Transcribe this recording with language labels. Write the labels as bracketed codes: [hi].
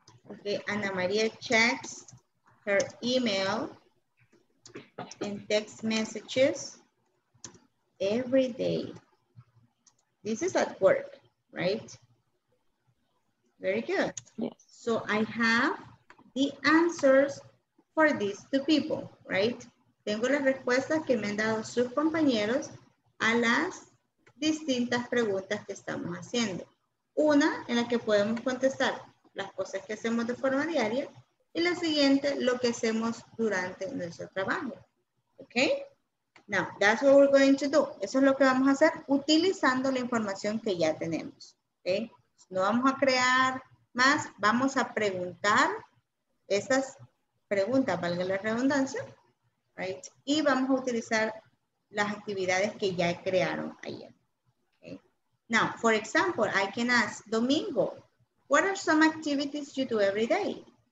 [en] Okay, Ana Maria checks her email and text messages every day. This is at work, right? Very good. Yes. So I have the answers for these two people, right? [es] Tengo las respuestas que me han dado sus compañeros a las distintas preguntas que estamos haciendo. Una en la que podemos contestar las cosas que hacemos de forma diaria y la siguiente, lo que hacemos durante nuestro trabajo. ¿Ok? [en] Now, that's what we're going to do. [es] Eso es lo que vamos a hacer utilizando la información que ya tenemos. ¿Ok? No vamos a crear más, vamos a preguntar esas preguntas, valga la redundancia, right? Y vamos a utilizar las actividades que ya crearon ayer. [en] Okay? Now, for example, I can ask Domingo, what are some activities you do every day?